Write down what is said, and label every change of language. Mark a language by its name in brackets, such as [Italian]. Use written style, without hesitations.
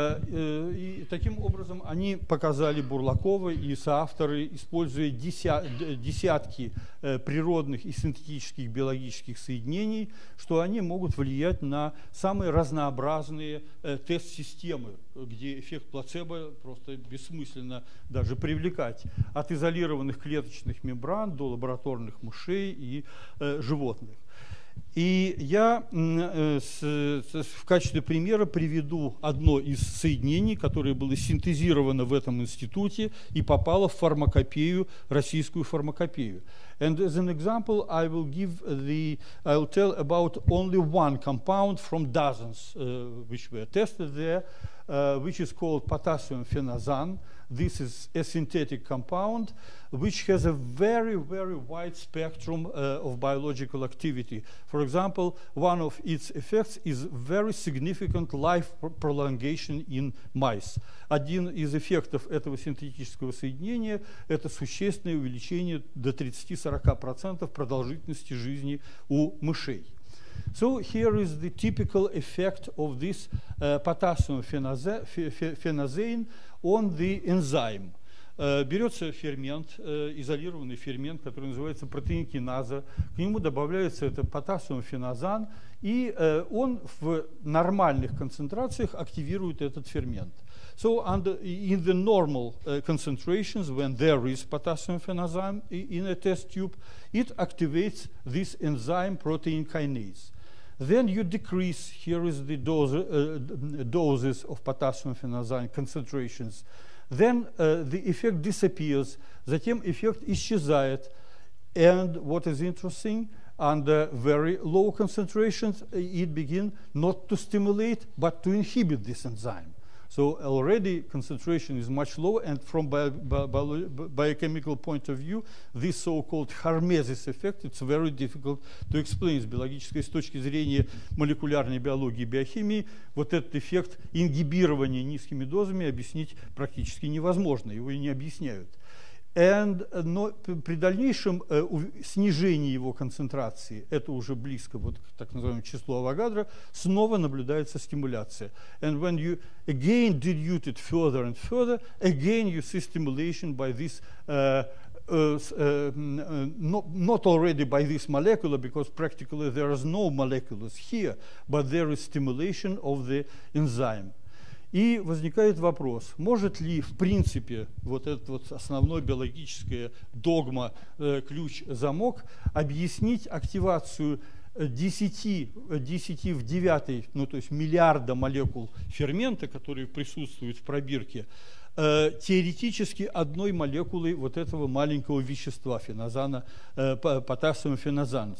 [Russian] И таким образом они показали Бурлакова и соавторы, используя десятки природных и синтетических биологических соединений, что они могут влиять на самые разнообразные тест-системы, где эффект плацебо просто бессмысленно даже привлекать, от изолированных клеточных мембран до лабораторных мышей и животных. И я в качестве примера приведу одно из соединений, которое было синтезировано в этом институте и попало в фармакопею, российскую фармакопею. [English] And as an example, I will give the, I will tell about only one compound from dozens which were tested there, which is called potassium phenazan. This is a synthetic compound which has a very, very wide spectrum of biological activity. For example, one of its effects is very significant life prolongation in mice. [Russian] Один из эффектов этого синтетического соединения – это существенное увеличение до 30-40% продолжительности жизни у мышей. [English] So here is the typical effect of this potassium phenazan on the enzyme. [Russian] Берется фермент, изолированный фермент, который называется протеинкиназа. К нему добавляется это потассиум феназан, и он в нормальных концентрациях активирует этот фермент. [English] So under, in the normal concentrations, when there is potassium phenazan in a test tube, it activates this enzyme protein kinase. Then you decrease, here is the dose, doses of potassium phenazan concentrations. Then the effect disappears, [Russian] затем эффект исчезает. [English] And what is interesting, under very low concentrations, it begin not to stimulate, but to inhibit this enzyme. So already concentration is much lower, and from biochemical point of view, this so-called hormesis effect, it's very difficult to explain. [Russian] С биологической, с точки зрения молекулярной биологии, биохимии, вот этот эффект ингибирования низкими дозами объяснить практически невозможно, его и не объясняют. And, но при дальнейшем снижении его концентрации, это уже близко вот, к так называемому числу Авогадро, снова наблюдается стимуляция. [English] And when you again dilute it further and further, again you see stimulation by this not already by this molecule, because practically there is no molecules here, but there is stimulation of the enzyme. [Russian] И возникает вопрос, может ли в принципе вот этот вот основной биологический догма, ключ-замок, объяснить активацию 10 в 9, ну то есть миллиарда молекул фермента, которые присутствуют в пробирке, теоретически одной молекулой вот этого маленького вещества феназана, потассиум феназан.